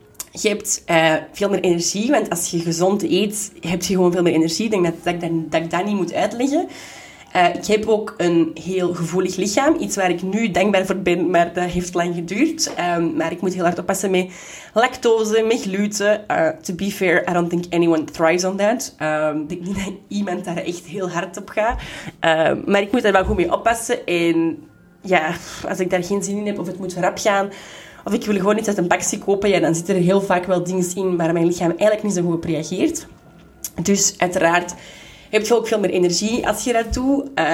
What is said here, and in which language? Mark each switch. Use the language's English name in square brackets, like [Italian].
[Dutch] Je hebt veel meer energie, want als je gezond eet, heb je gewoon veel meer energie. Ik denk dat ik dat niet moet uitleggen. Ik heb ook een heel gevoelig lichaam. Iets waar ik nu dankbaar voor ben, maar dat heeft lang geduurd. Maar ik moet heel hard oppassen met lactose, met gluten. [English] To be fair, I don't think anyone thrives on that. [Dutch] Ik denk niet dat iemand daar echt heel hard op gaat. Maar ik moet daar wel goed mee oppassen. En ja, als ik daar geen zin in heb of het moet rap gaan, Of ik wil gewoon iets uit een bakje kopen. Ja, dan zit er heel vaak wel dingen in waar mijn lichaam eigenlijk niet zo goed op reageert. Dus uiteraard heb je ook veel meer energie als je dat doet.